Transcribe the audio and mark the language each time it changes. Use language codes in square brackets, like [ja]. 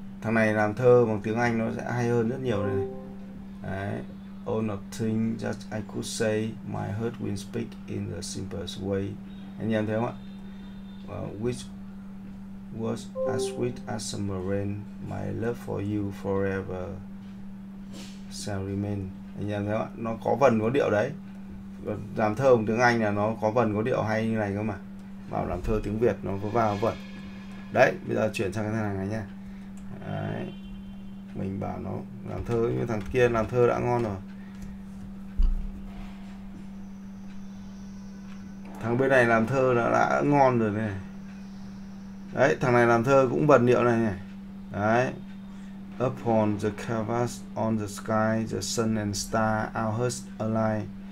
[vi] Thằng này làm thơ bằng tiếng Anh nó sẽ hay hơn rất nhiều đây này. Đấy. [en] Oh nothing that I could say, my heart will speak in the simplest way. [vi] Anh em thấy không ạ? [en] Which was as sweet as summer rain, my love for you forever shall remain. [vi] Anh em thấy không ạ? Nó có vần có điệu đấy. Làm thơ bằng tiếng Anh là nó có vần có điệu hay như này cơ mà. Vào làm thơ tiếng Việt nó có vào vần. Đấy, bây giờ chuyển sang cái thằng này nha. Đấy. Mình bảo nó làm thơ như thằng kia làm thơ đã ngon rồi. Thằng bên này làm thơ đã ngon rồi này. Đấy, thằng này làm thơ cũng vần điệu này này. Đấy. [en] Upon the canvas, on the sky, the sun and star, our hearts align.